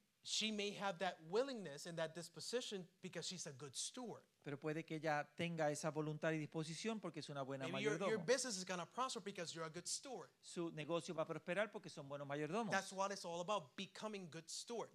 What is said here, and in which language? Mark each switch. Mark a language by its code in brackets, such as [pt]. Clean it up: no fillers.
[en] She may have that willingness and that disposition because she's a good steward. [es] Pero puede que ella tenga esa voluntad y disposición porque es una buena mayordomo. [en] Your business is going to prosper because you're a good steward. [es] Su negocio va a prosperar porque son buenos mayordomos. [en] That's what it's all about, becoming good stewards.